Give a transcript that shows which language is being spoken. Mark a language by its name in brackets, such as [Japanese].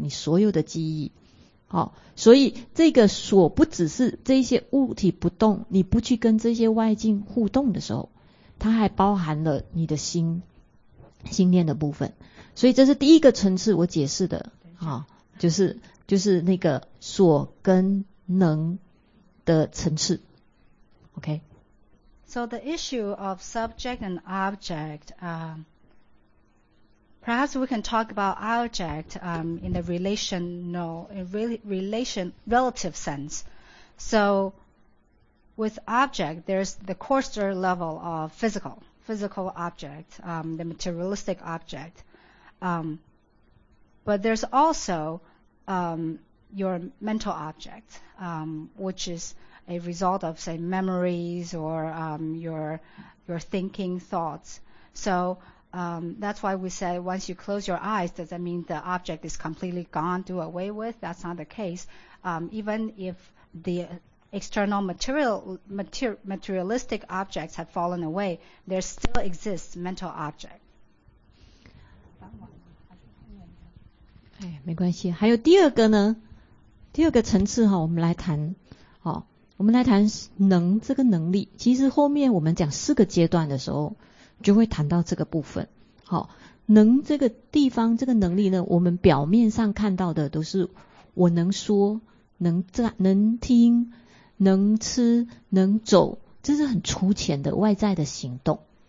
[Chinese] 你所有的记忆。好，所以这个锁不只是这些物体不动，你不去跟这些外境互动的时候，它还包含了你的心，心念的部分。所以这是第一个层次我解释的，好，就是那个锁跟能的层次。 [English] OK, So the issue of subject and object, perhaps we can talk about object in the relative sense. So with object, there's the coarser level of physical object, the materialistic object. But there's also your mental object, which is a result of, say, memories or your thinking thoughts. So that's why we say once you close your eyes, does that mean the object is completely gone, do away with? That's not the case. Even if the external materialistic objects have fallen away, there still exists mental object. [Chinese] 哎，没关系。还有第二个呢，第二个层次哈，我们来谈，好，我们来谈能这个能力。其实后面我们讲四个阶段的时候，就会谈到这个部分。好，能这个地方这个能力呢，我们表面上看到的都是我能说、能站、能听、能吃、能走，这是很粗浅的外在的行动。